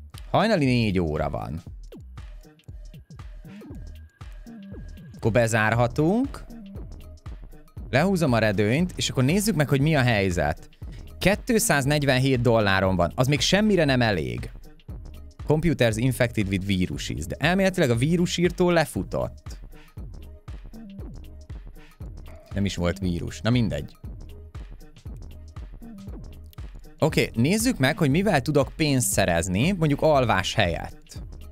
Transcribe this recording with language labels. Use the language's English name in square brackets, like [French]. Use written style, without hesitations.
[Hungarian] Hajnali 4 óra van. Akkor bezárhatunk. Lehúzom a redőnyt, és akkor nézzük meg, hogy mi a helyzet. 247 dolláron van. Az még semmire nem elég. [English] Computers infected with viruses. [Hungarian] De elméletileg a vírusírtó lefutott. Nem is volt vírus. Na mindegy. Oké, nézzük meg, hogy mivel tudok pénzt szerezni, mondjuk alvás helyett.